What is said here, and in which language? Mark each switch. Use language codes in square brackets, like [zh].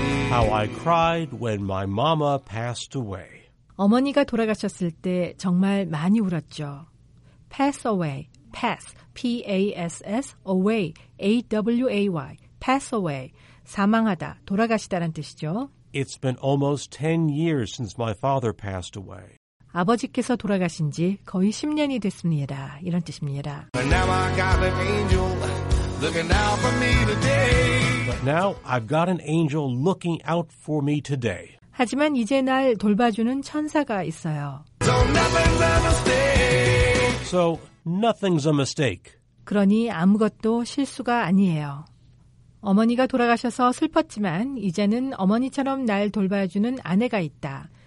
[en] How I cried when my mama passed away. [ko] 어머니가 돌아가셨을 때 정말 많이 울었죠. [en] Pass away, pass, P-A-S-S, away, A-W-A-Y, pass away, [ko] 사망하다, 돌아가시다란 뜻이죠. [en] It's been almost 10 years since my father passed away. [ko] 아버지께서 돌아가신 지 거의 10년이 됐습니다. 이런 뜻입니다. [en] But now I've got an angel looking out for me today. But now I've got an angel looking out for me today. [ko] 하지만 이제 날 돌봐주는 천사가 있어요. [en] So nothing's a mistake. So nothing's a mistake. [ko] 그러니 아무것도 실수가 아니에요. 어머니가 돌아가셔서 슬펐지만 이제는 어머니처럼 날 돌봐주는 아내가 있다.